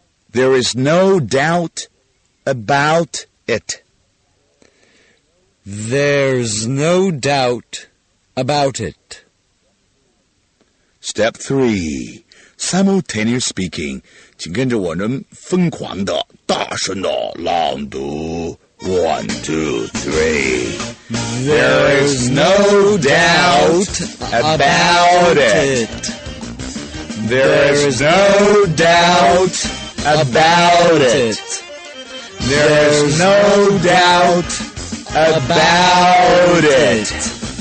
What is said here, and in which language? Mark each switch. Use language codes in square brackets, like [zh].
[en] There is no doubt about it. There's no doubt about it. Step 3. Simultaneous speaking. [zh] 请跟着我们疯狂的大声的朗读. [en] 1, 2, 3. There is no doubt about it. There is no doubt about it. There is no doubt about it.